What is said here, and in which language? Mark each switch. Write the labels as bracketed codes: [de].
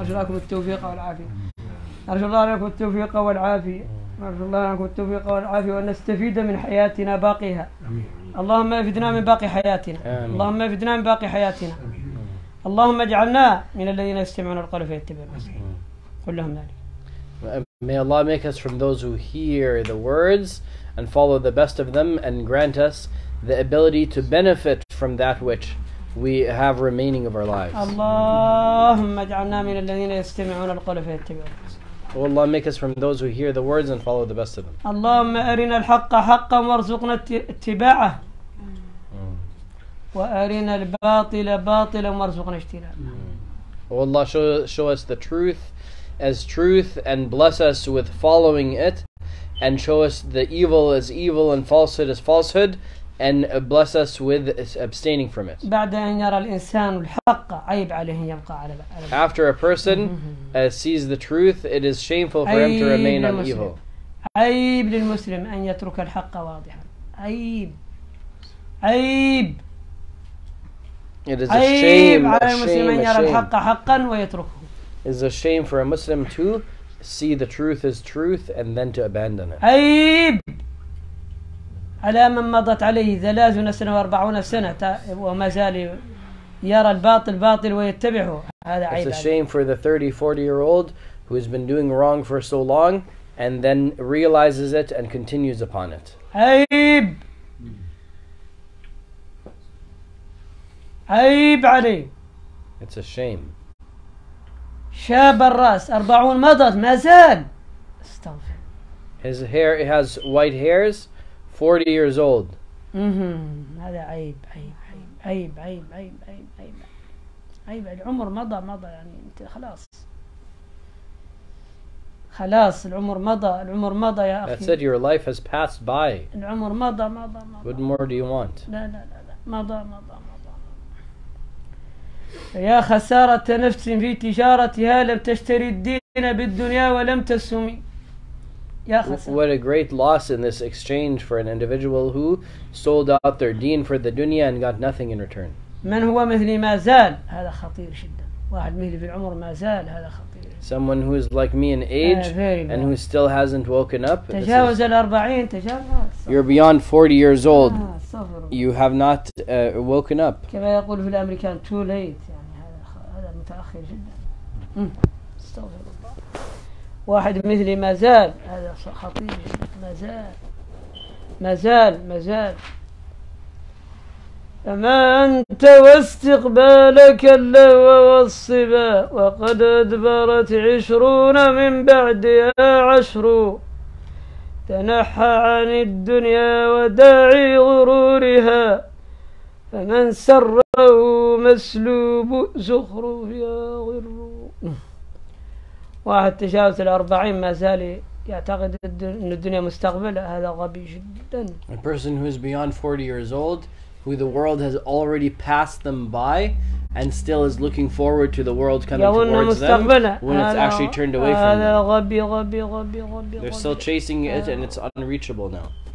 [ar] أرجو لكم التوفيق والعافية. أرجو الله لكم التوفيق والعافية. نرجو الله أنكم التوفيق والعافية وأن نستفيد من حياتنا باقيها. آمين. اللهم افدنا من باقي حياتنا. آمين. اللهم افدنا من باقي حياتنا. آمين. اللهم اجعلنا من الذين يستمعون القول فيتبعون أحسنه. قل لهم ذلك. [en] May Allah make us from those who hear the words and follow the best of them and grant us the ability to benefit from that which we have remaining of our lives. [ar] اللهم اجعلنا من الذين يستمعون القول فيتبعون. [en] O Allah, make us from those who hear the words and follow the best of them. [ar] اللهم أرنا الحق حقا وارزقنا اتباعه. وأرنا الباطل باطلا وارزقنا اجتنابه. [en] O Allah, show us the truth as truth and bless us with following it. And show us the evil as evil and falsehood as falsehood. And bless us with abstaining from it. [ar] بعد أن يرى الإنسان الحق عيب عليه أن يبقى على. [en] After a person sees the truth, it is shameful for him to remain on evil. [ar] عيب للمسلم أن يترك الحق واضحا. عيب. عيب. [en] It is a shame. [ar] عيب على المسلم أن يرى الحق حقا ويتركه. [en] It is a shame for a Muslim to see the truth as truth and then to abandon it. [ar] عيب. على من مضت عليه 30 سنة واربعون سنة وما زال يرى الباطل باطل ويتبعه هذا عيب. [en] It's a shame for the 30-40-year-old who has been doing wrong for so long and then realizes it and continues upon it. [ar] عيب. عيب عليه. [en] It's a shame. [ar] شاب الرأس 40 مضت ما زال. [en] His hair, it has white hairs. 40 years old. [ar] هذا عيب عيب عيب عيب عيب عيب عيب العمر مضى مضى يعني انت خلاص خلاص العمر مضى العمر مضى يا اخي. [en] That said your life has passed by. [ar] العمر مضى مضى مضى. [en] What more do you want? [ar] لا لا لا مضى مضى مضى. يا خسارة نفس في تجارتها لم تشتري الدين بالدنيا ولم تسمي. [en] What a great loss in this exchange for an individual who sold out their deen for the dunya and got nothing in return. [ar] من هو مثلي ما زال هذا خطير جدا. واحد مثلي في العمر ما زال هذا خطير. [en] Someone who is like me in age and who still hasn't woken up. [ar] تجاوز الأربعين تجاوز. [en] You're beyond 40 years old. You have not woken up. [ar] كما يقول في الأمريكان [en] too late [ar] يعني هذا متأخر جدا. استغفر الله. واحد مثلي مازال هذا خطير مازال مازال مازال. أما أنت واستقبالك اللوى والصبا وقد أدبرت عشرون من بعد يا عشر تنحى عن الدنيا وداعي غرورها فمن سره مسلوب زخر يا غر. واحد تجاوز الأربعين ما زال يعتقد أن الدنيا مستقبلة هذا غبي جدا. [en] A person who is beyond 40 years old who the world has already passed them by and still is looking forward to the world coming towards them when it's actually turned away from them. They're still chasing it and it's unreachable now.